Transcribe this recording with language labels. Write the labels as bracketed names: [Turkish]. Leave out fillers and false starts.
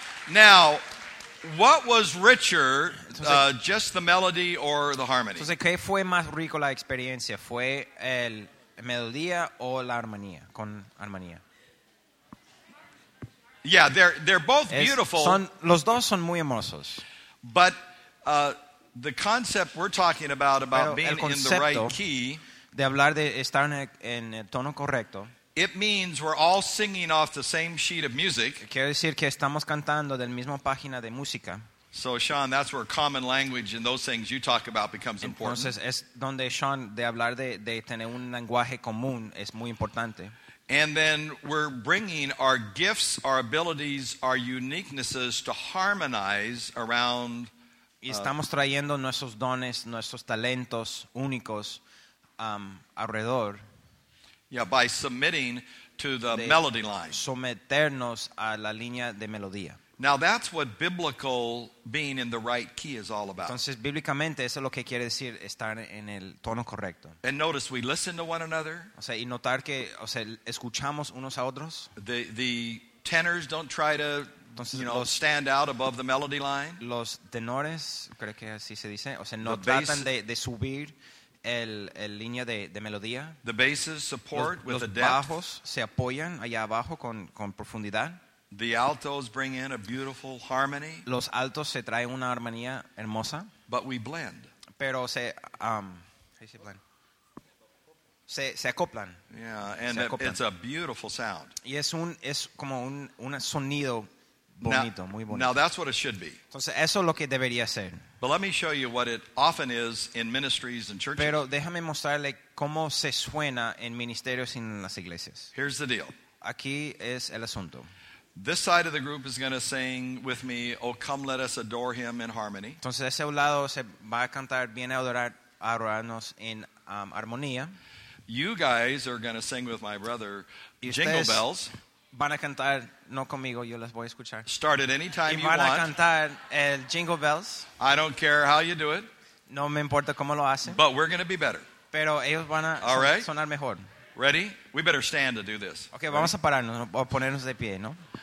[English] Now, what was richer, just the melody or the harmony? [Spanish] Entonces, ¿qué fue más rico la experiencia? ¿Fue el melodía o la armonía? Con armonía. [English] Yeah, they're both beautiful. [Spanish] Los dos son muy hermosos. [English] But the concept we're talking about being in the right key, [Spanish] de hablar de estar en el tono correcto, [English] it means we're all singing off the same sheet of music. [Spanish] Quiere decir que estamos cantando del mismo página de música. [English] So, Sean, that's where common language and those things you talk about becomes important. [Spanish] Entonces es donde Sean de hablar de tener un lenguaje común es muy importante. [English] And then we're bringing our gifts, our abilities, our uniquenesses to harmonize around. [Spanish] Y estamos trayendo nuestros dones, nuestros talentos únicos alrededor. [English] Yeah, by submitting to the melody line. [Spanish] Someternos a la línea de melodía. [English] Now that's what biblical being in the right key is all about. [Spanish] Entonces, bíblicamente, eso es lo que quiere decir estar en el tono correcto. [English] And notice we listen to one another. [Spanish] O sea, y notar que, o sea, escuchamos unos a otros. [English] The tenors don't try to, entonces, you know, stand out above the melody line. [Spanish] Los tenores, creo que así se dice, o sea, no tratan de subir el línea de melodía. [English] The basses support with the [Spanish] depth. Los bajos se apoyan allá abajo con profundidad. [English] The altos bring in a beautiful harmony. [Spanish] Los altos se traen una armonía hermosa. [English] But we blend. [Spanish] Pero se how se blend? Se acoplan. [English] Yeah, and it's a beautiful sound. [Spanish] Y es como un sonido bonito, [English] now, [Spanish] muy bonito. [English] Now that's what it should be. [Spanish] Entonces eso es lo que debería ser. [English] But let me show you what it often is in ministries and churches. [Spanish] Pero déjame mostrarle cómo se suena en ministerios y en las iglesias. [English] Here's the deal. [Spanish] Aquí es el asunto. [English] This side of the group is going to sing with me, "Oh, come, let us adore Him in harmony." [Spanish] Entonces ese lado se va a cantar, viene a adorar, a adorarnos en armonía. [English] You guys are going to sing with my brother, "Jingle Bells." [Spanish] Van a cantar no conmigo, yo las voy a escuchar. [English] Start it anytime [Spanish] y van [English] you want. [Spanish] A cantar el "Jingle Bells." [English] I don't care how you do it. [Spanish] No me importa cómo lo hacen. [English] But we're going to be better. [Spanish] Pero ellos van a [English] all right. [Spanish] Sonar mejor. [English] Ready? We better stand to do this. Okay, ready? [Spanish] Vamos a pararnos, a ponernos de pie, ¿no?